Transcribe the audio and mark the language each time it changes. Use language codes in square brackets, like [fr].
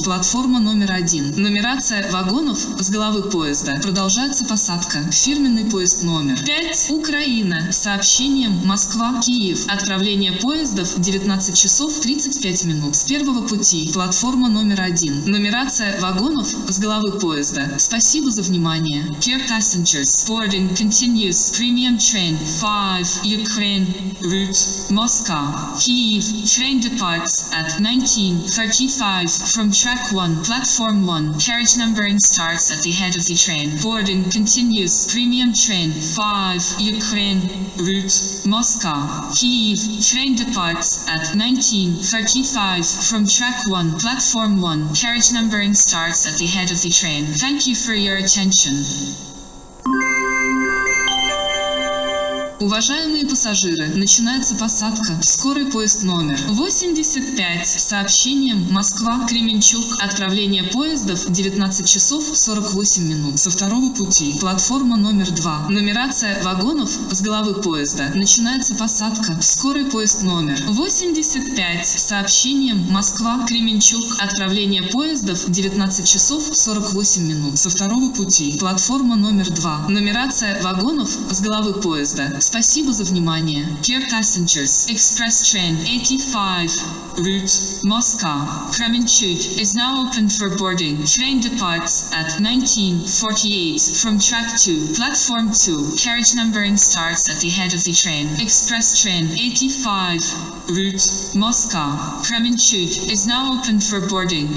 [ru] Платформа номер 1. Нумерация вагонов с головы поезда. Продолжается посадка. Фирменный поезд номер 5. Украина. С сообщением «Москва-Киев». Отправление поездов 19 часов 35 минут. С первого пути. Платформа номер 1. Нумерация вагонов с головы поезда. Спасибо за внимание. [en] Dear passengers, boarding continues. Premium train 5, Ukraine, route Moscow, Kyiv. Train departs at 19:35 from track 1, platform 1. Carriage numbering starts at the head of the train. Boarding continues. Premium train 5, Ukraine, route Moscow, Kyiv. Train departs at 19:35 from track 1, platform 1. Carriage numbering starts at the head of the train. Thank you for your attention. [ru] Уважаемые пассажиры, начинается посадка. Скорый поезд номер 85 с сообщением «Москва-Кременчук». Отправление поездов 19 часов 48 минут. Со второго пути. Платформа номер 2. Нумерация вагонов с головы поезда. Начинается посадка. Скорый поезд номер 85 с сообщением «Москва-Кременчук». Отправление поездов 19 часов 48 минут. Со второго пути. Платформа номер 2. Нумерация вагонов с головы поезда. Спасибо за внимание. [en] Dear passengers, express train 85, route Moscow, Kremenchug, is now open for boarding. Train departs at 19:48 from track 2, platform 2. Carriage numbering starts at the head of the train. Express train 85, route Moscow, Kremenchug, is now open for boarding.